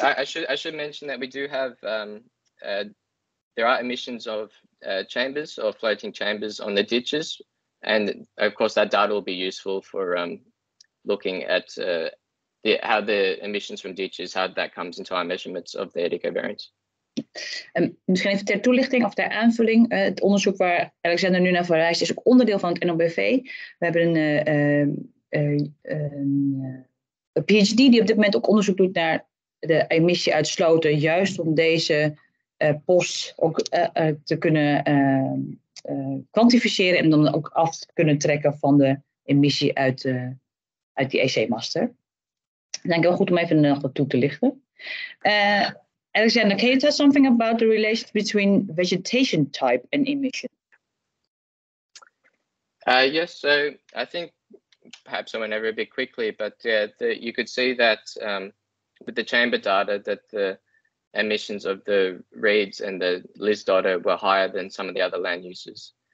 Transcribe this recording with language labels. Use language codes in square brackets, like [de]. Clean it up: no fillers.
[en] I should mention that we do have there are emissions of chambers or floating chambers on the ditches, and of course that data will be useful for looking at how the emissions from ditches, how that comes into our measurements of the eddy covariance. [nl] Misschien even ter toelichting of ter aanvulling. Het onderzoek waar Alexander nu naar verwijst is ook onderdeel van het NOBV. We hebben een een PhD die op dit moment ook onderzoek doet naar de emissie uit sloten, juist om deze post ook te kunnen kwantificeren en dan ook af te kunnen trekken van de emissie uit die EC-master. Ik denk wel goed om even nog wat toe te lichten. [en] Alexander, can you tell something about the relation between vegetation type and emission? Yes, so I think perhaps I went over a bit quickly, but you could see that with the chamber data that the emissions of the reeds and the Liz Dotter were higher than some of the other land uses.